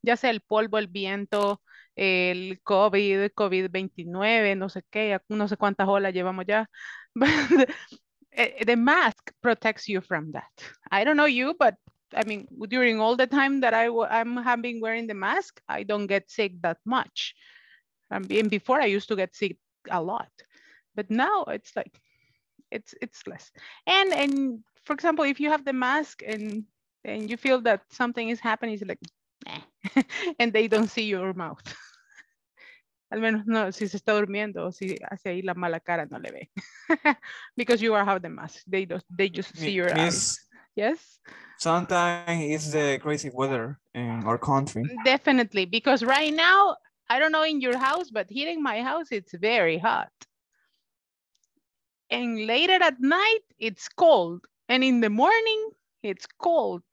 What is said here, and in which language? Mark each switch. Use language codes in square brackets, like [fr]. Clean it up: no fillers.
[es] Ya sea el polvo, el viento, el COVID, COVID-29, no sé qué, no sé cuántas olas llevamos ya. [en] But the mask protects you from that. I don't know you, but I mean, during all the time that I'm been wearing the mask, I don't get sick that much. And before I used to get sick a lot, but now it's like it's less. And for example, if you have the mask and you feel that something is happening, it's like, eh. And they don't see your mouth. [es] Al menos no, si se está durmiendo, si hace ahí la mala cara, no le ve. [en] Because you are have the mask, they just see your eyes. Miss, Yes. sometimes it's the crazy weather in our country. Definitely, because right now, I don't know in your house, but here in my house, it's very hot. And later at night, it's cold. And in the morning, it's cold.